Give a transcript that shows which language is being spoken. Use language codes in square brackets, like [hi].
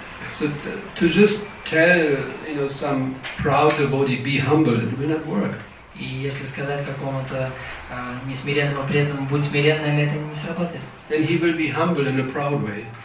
[en] So to just tell, you know, some proud devotee, be humble, it will not work. [ru] И если сказать какому-то несмиренному преданному, будь смиренным, это не сработает. [en] Then he will be humble in a proud way.